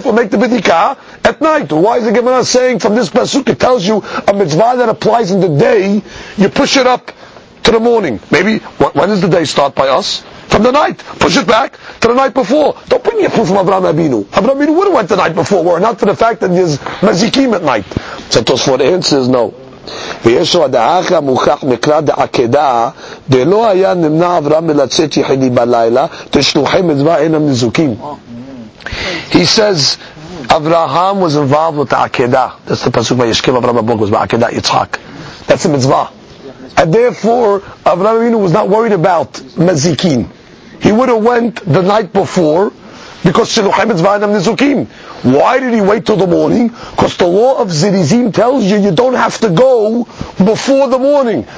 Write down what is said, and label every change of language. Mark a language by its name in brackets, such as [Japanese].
[English] Therefore, make the bidikah at night. Why is the Gemara saying from this pasuk, it tells you a mitzvah that applies in the day, you push it up to the morning. Maybe, when does the day start by us? From the night. Push it back to the night before. Don't bring me a proof from Avraham Avinu. Avraham Avinu would have went the night before, were it not for the fact that there's mazikim at night. So Tosfot answers, no. [Hebrew] ויש עוד האחר מוכח מקרא דעקדה דלא היה נמנע אברהם מלצאת יחידי בלילה תשלוחי מדבר אינם נזוקים. [English] He says Abraham was involved with the עקדה. That's the פסוק [Hebrew] וישכם אברהם בבוקר [English] was בעקדה יצחק. That's a מצווה. And therefore אברהם אבינו was not worried about מזיקים. He would have went the night before because [Hebrew] שלוחי מדבר אינם נזוקים. [English] Why did he wait till the morning? Because the law of Zirizim tells you you don't have to go before the morning.